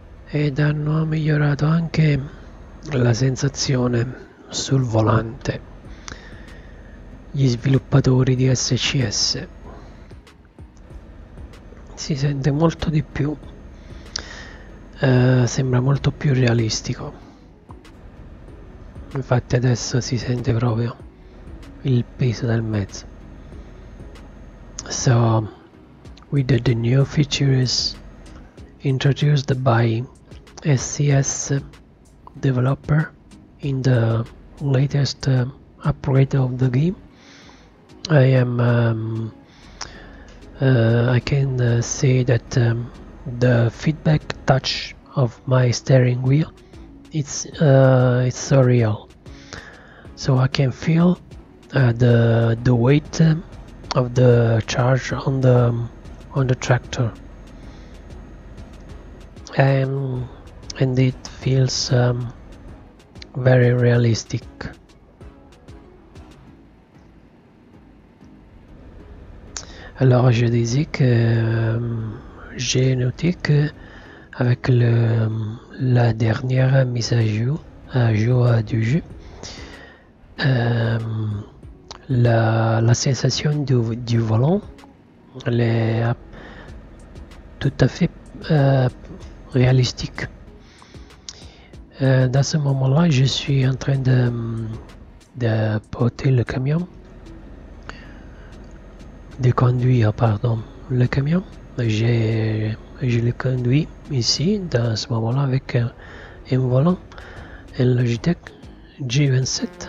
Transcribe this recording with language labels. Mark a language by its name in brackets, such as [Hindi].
[Italian] Ed hanno migliorato anche la sensazione sul volante gli sviluppatori di SCS. Si sente molto di più, sembra molto più realistico. Infatti adesso si sente proprio il peso del mezzo. [English] So, with the new features introduced by SCS developer in the latest upgrade of the game, I can say that the feedback touch of my steering wheel it's so real. So I can feel the weight of the charge on the tractor. And it feels very realistic. [French] Alors je disais que j'ai noté que avec la dernière mise à jour du jeu, [Italian] La sensazione di volant è tutto [French] a fait realistique. Dans ce moment-là, je suis en train de porter le camion, de conduire, pardon, le camion. Je le conduis ici, dans ce moment-là, avec un volant, un Logitech G27.